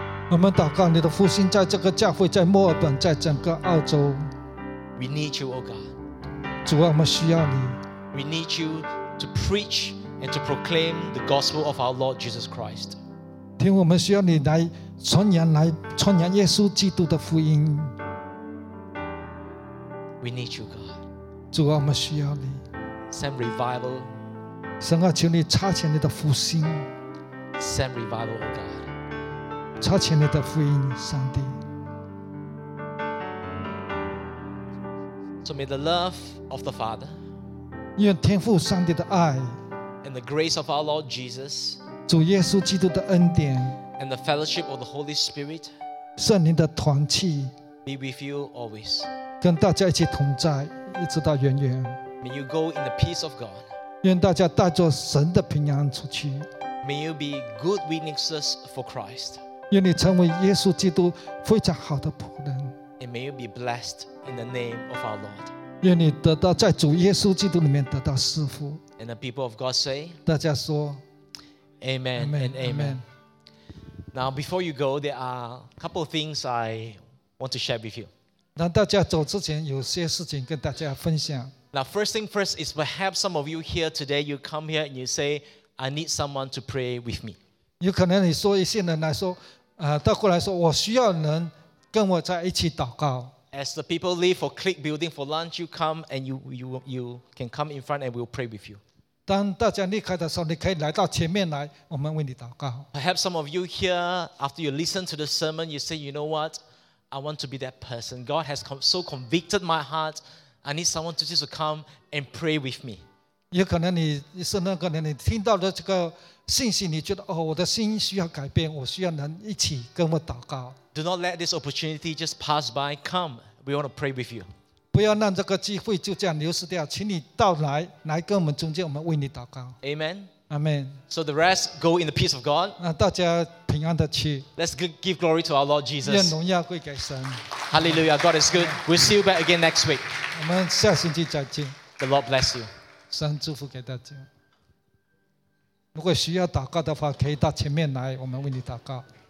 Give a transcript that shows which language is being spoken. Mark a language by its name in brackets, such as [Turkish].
[Chinese] 我们祷告你的复兴在这个教会，在墨尔本，在整个澳洲。 [English] We need you, O God. [Chinese] 主啊，我们需要你。 [English] We need you to preach and to proclaim the gospel of our Lord Jesus Christ. [Chinese] 听，我们需要你来传扬，来传扬耶稣基督的福音。 [English] We need you, God. [Chinese] 主啊，我们需要你。 [English] Send revival. [Chinese] 神啊，求你差遣你的复兴。 [English] Send revival, O God. [Chinese] 差遣你的福音，上帝。 [English] So may the love of the Father, [Chinese] 愿天父上帝的爱 [English] ，and the grace of our Lord Jesus, [Chinese] 主耶稣基督的恩典 [English] ，and the fellowship of the Holy Spirit, [Chinese] 圣灵的团契 [English] ，be with you always, [Chinese] 跟大家一起同在，一直到永远。 [English] May you go in the peace of God, [Chinese] 愿大家带着神的平安出去。 [English] May you be good witnesses for Christ. [Chinese] 愿你成为耶稣基督非常好的仆人。 [English] And may you be blessed in the name of our Lord. [Chinese] 愿你得到在主耶稣基督里面得到赐福。 [English] And the people of God say, [Chinese] 大家说 [English] Amen, Amen and Amen. Amen. Now before you go, there are a couple of things I want to share with you. [Chinese] 让大家走之前有些事情跟大家分享。 [English] Now first thing first is perhaps some of you here today, you come here and you say, I need someone to pray with me. [Chinese] 有可能你说一些人来说，到过来说，我需要人跟我在一起祷告。 [English] As the people leave for Click Building for lunch, you come and you can come in front and we'll pray with you. [Chinese] 当大家离开的时候，你可以来到前面来，我们为你祷告。 [English] Perhaps some of you here, after you listen to the sermon, you say, you know what, I want to be that person. God has so convicted my heart. I need someone to just come and pray with me. [Chinese] 有可能你是那个人，你听到的这个。信息你觉得、哦、我的心需要改变，我需要人一起跟我祷告。 [English] Do not let this opportunity just pass by. Come, we want to pray with you. [Chinese] 不要让这个机会就这样流失掉，请你到来，来跟我们中间，我们为你祷告。 [English] Amen. Amen. So the rest go in the peace of God. [Chinese] 大家平安的去。 [English] Let's give glory to our Lord Jesus. [Chinese] 愿荣耀归给神。 [English] Hallelujah. God is good. We'll see you back again next week. [Chinese] 我们下星期再见。 [English] The Lord bless you. [Chinese] 神祝福给大家。如果需要祷告的话，可以到前面来，我们为你祷告。